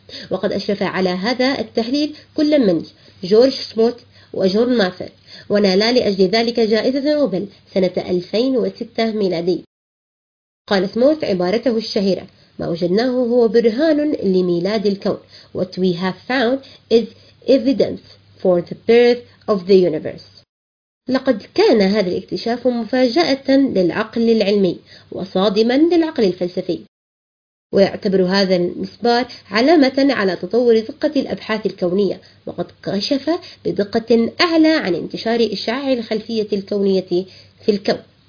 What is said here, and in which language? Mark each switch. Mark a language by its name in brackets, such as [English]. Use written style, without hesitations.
[Arabic] وقد أشرف على هذا التحليل كل من جورج سموت وجون ماثر، ونالا لأجل ذلك جائزة نوبل سنة 2006 ميلادي. قال سموت عبارته الشهيرة: ما وجدناه هو برهان لميلاد الكون. [English] What we have found is evidence for the birth of the universe. [Arabic] لقد كان هذا الاكتشاف مفاجأة للعقل العلمي وصادما للعقل الفلسفي، ويعتبر هذا المسبار علامة على تطور دقة الأبحاث الكونية، وقد كشف بدقة أعلى عن انتشار إشعاع الخلفية الكونية في الكون.